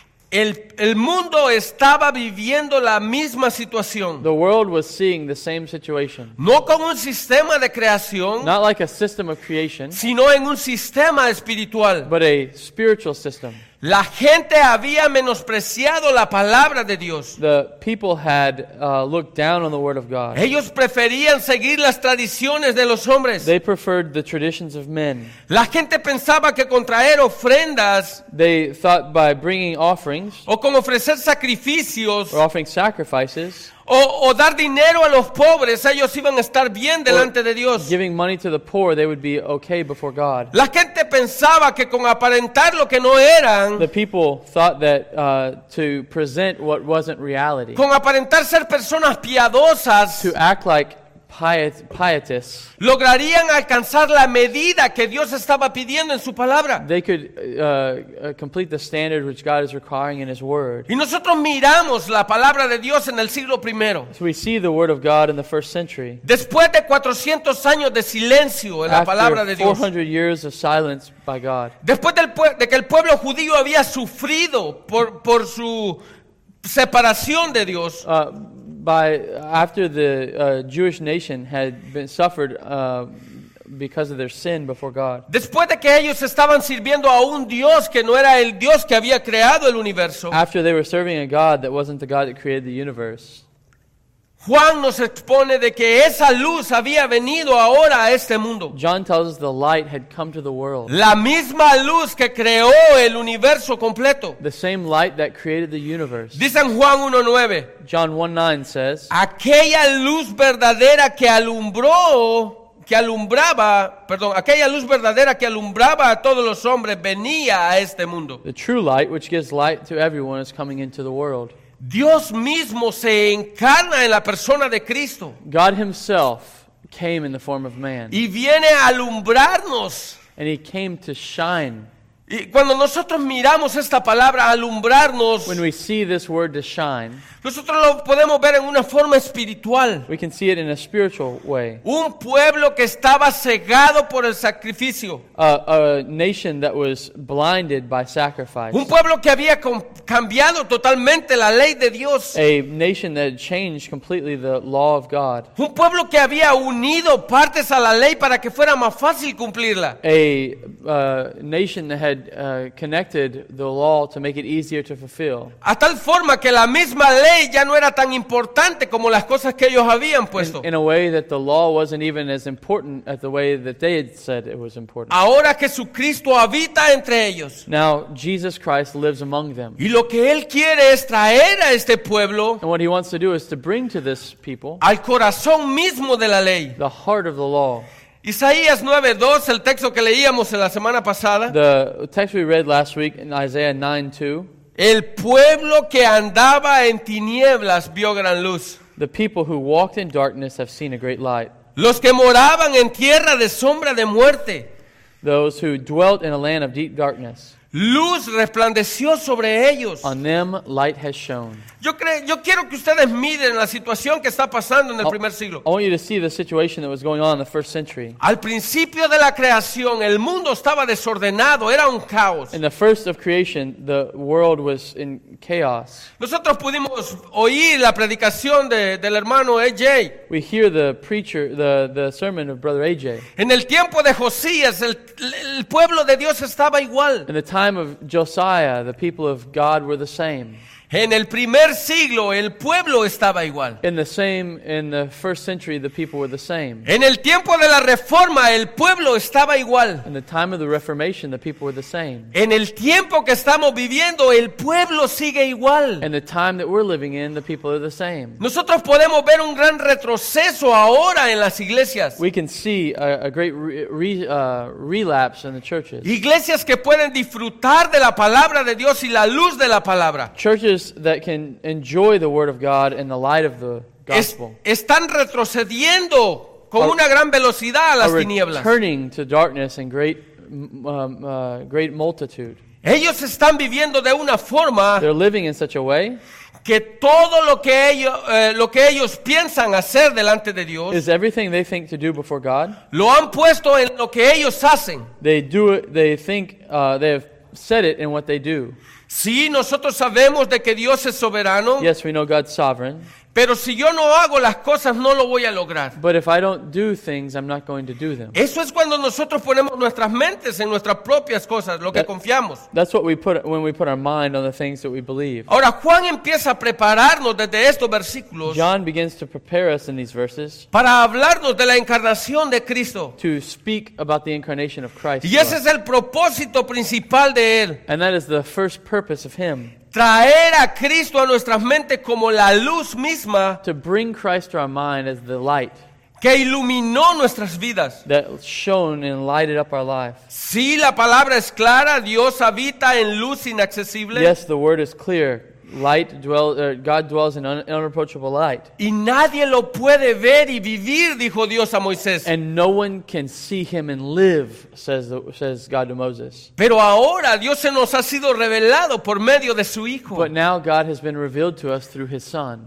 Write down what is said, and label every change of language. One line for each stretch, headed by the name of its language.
Spanish: el mundo estaba viviendo la misma situación.
English: The world was seeing the same situation.
Spanish: No con un sistema de creación,
English: not like a system of creation,
Spanish: sino en un sistema espiritual,
English: but a spiritual system.
Spanish: La gente había menospreciado la palabra de Dios.
English: The people had looked down on the word of God.
Spanish: Ellos preferían seguir las tradiciones de los hombres.
English: They preferred the traditions of men.
Spanish: La gente pensaba que con traer ofrendas,
English: they thought by bringing offerings,
Spanish: o con ofrecer sacrificios,
English: or offering sacrifices,
Spanish: o dar dinero a los pobres, ellos iban a estar bien delante de Dios.
English: Giving money to the poor, they would be okay before God.
Spanish: La gente pensaba que con aparentar lo que no eran,
English: the people thought that to present what wasn't reality,
Spanish: con aparentar ser personas piadosas,
English: to act like pietists,
Spanish: lograrían alcanzar la medida que Dios estaba pidiendo en su palabra.
English: They could complete the standard which God is requiring in his word.
Spanish: Y nosotros miramos la palabra de Dios en el siglo primero.
English: So we see the word of God in the first century.
Spanish: Después de 400 años de silencio en
English: after
Spanish: la palabra de Dios.
English: 400 years of silence by God.
Spanish: Después de que el pueblo judío había sufrido por su separación de Dios.
English: After the Jewish nation had been suffered because of their sin before God.
Spanish: Después de que ellos estaban sirviendo a un Dios que no era el Dios que había creado el universo.
English: After they were serving a God that wasn't the God that created the universe.
Spanish: Juan nos expone de que esa luz había venido ahora a este mundo.
English: John tells us the light had come to the world.
Spanish: La misma luz que creó el universo completo.
English: The same light that created the universe.
Spanish: Dice en Juan 1:9.
English: John 1:9 says.
Spanish: Aquella luz verdadera aquella luz verdadera que alumbraba a todos los hombres venía a este mundo.
English: The true light which gives light to everyone is coming into the world.
Spanish: Dios mismo se encarna en la persona de Cristo.
English: God himself came in the form of man.
Spanish: Y viene a alumbrarnos.
English: And he came to shine.
Spanish: Y cuando nosotros miramos esta palabra alumbrarnos,
English: when we see this word to shine,
Spanish: nosotros lo podemos ver en una forma espiritual.
English: We can see it in a spiritual way.
Spanish: Un pueblo que estaba cegado por el sacrificio.
English: A nation that was blinded by sacrifice.
Spanish: Un pueblo que había cambiado totalmente la ley de Dios.
English: A nation that had changed completely the law of God.
Spanish: Un pueblo que había unido partes a la ley para que fuera más fácil cumplirla.
English: A nation that had connected the law to make it easier to fulfill.
Spanish: A tal forma que la misma ley ya no era tan importante como las cosas que ellos habían puesto.
English: In a way that the law wasn't even as important as the way that they had said it was important.
Spanish: Ahora Jesucristo habita entre ellos.
English: Now Jesus Christ lives among them.
Spanish: Y lo que él quiere es traer a este pueblo.
English: And what he wants to do is to bring to this people.
Spanish: Al corazón mismo de la ley.
English: The heart of the law.
Spanish: Isaías 9:2, el texto que leíamos la semana pasada.
English: The text we read last week in Isaiah 9:2.
Spanish: El pueblo que andaba en tinieblas vio gran luz.
English: The people who walked in darkness have seen a great light.
Spanish: Los que moraban en tierra de sombra de muerte.
English: Those who dwelt in a land of deep darkness.
Spanish: Luz resplandeció sobre ellos.
English: On them light has shone.
Spanish: Yo quiero que ustedes miren la situación que está pasando en el primer siglo.
English: I want you to see the situation that was going on in the first century.
Spanish: Al principio de la creación, el mundo estaba desordenado, era un caos.
English: In the first of creation, the world was in chaos.
Spanish: Nosotros pudimos oír la predicación del hermano AJ.
English: We hear the preacher, the sermon of brother AJ.
Spanish: En el tiempo de Josías, el pueblo de Dios estaba igual.
English: In the time of Josiah, the people of God were the same.
Spanish: En el primer siglo, el pueblo estaba igual.
English: In the first century, the people were the same.
Spanish: En el tiempo de la Reforma, el pueblo estaba igual.
English: In the time of the Reformation, the people were the same.
Spanish: En el tiempo que estamos viviendo, el pueblo sigue igual.
English: In the time that we're living in, the people are the same.
Spanish: Nosotros podemos ver un gran retroceso ahora en las iglesias.
English: We can see a great relapse in the churches.
Spanish: Iglesias que pueden disfrutar de la palabra de Dios y la luz de la palabra.
English: Churches that can enjoy the word of God and the light of the gospel.
Spanish: Están retrocediendo con una gran velocidad a las tinieblas.
English: Returning to darkness and great multitude.
Spanish: Ellos están viviendo de una forma.
English: They're living in such a way
Spanish: que todo lo que ellos piensan hacer delante de Dios.
English: Is everything they think to do before God?
Spanish: Lo han puesto en lo que ellos hacen.
English: They do it. They think they have said it in what they do.
Spanish: Sí, nosotros sabemos de que Dios es soberano.
English: Yes, we know God's sovereign.
Spanish: Pero si yo no hago las cosas, no lo voy a lograr.
English: But if I don't do things, I'm not going to do them.
Spanish: Eso es cuando nosotros ponemos nuestras mentes en nuestras propias cosas, lo que confiamos.
English: That's what we put when we put our mind on the things that we believe.
Spanish: Ahora Juan empieza a prepararnos desde estos versículos.
English: John begins to prepare us in these verses.
Spanish: Para hablarnos de la encarnación de Cristo.
English: To speak about the incarnation of Christ.
Spanish: Y ese es el propósito principal de él.
English: And that is the first purpose of him.
Spanish: Traer a Cristo a nuestras mentes como la luz misma.
English: To bring Christ to our mind as the light.
Spanish: Que iluminó nuestras vidas.
English: That shone and lighted up our life.
Spanish: Sí, la palabra es clara. Dios habita en luz inaccesible.
English: Yes, the word is clear. God dwells in unapproachable light.
Spanish: Y nadie lo puede ver y vivir, dijo Dios a Moisés.
English: And no one can see him and live, says God to Moses.
Spanish: Pero ahora Dios se nos ha sido revelado por medio de su Hijo.
English: But now God has been revealed to us through his Son.